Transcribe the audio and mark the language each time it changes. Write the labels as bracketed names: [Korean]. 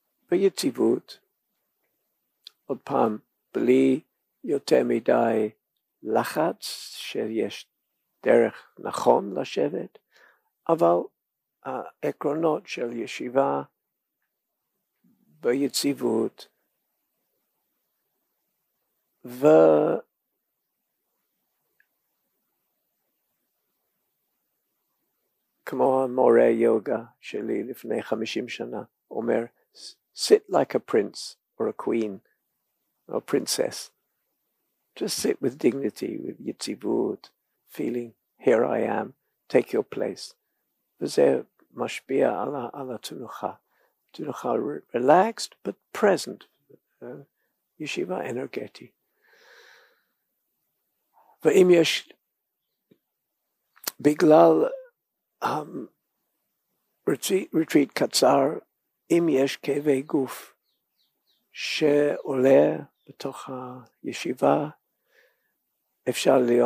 [Hebrew] ביציבות, עוד פעם, בלי יותר מדי לחץ שיש דרך נכון לשבת, אבל העקרונות של ישיבה ביציבות ו כמו המורה יוגה שלי לפני 50 שנה, אומר, [English] sit like a prince or a queen or a princess. Just sit with dignity, with יציבות, feeling, here I am, take your place. [Hebrew] וזה משפיע על התנוחה. תנוחה [English] relaxed, but present. [Hebrew] ישיבה אנרגטי. ואם יש, בגלל retreat קצר, אם יש כאבי גוף שעולה בתוך הישיבה, אפשר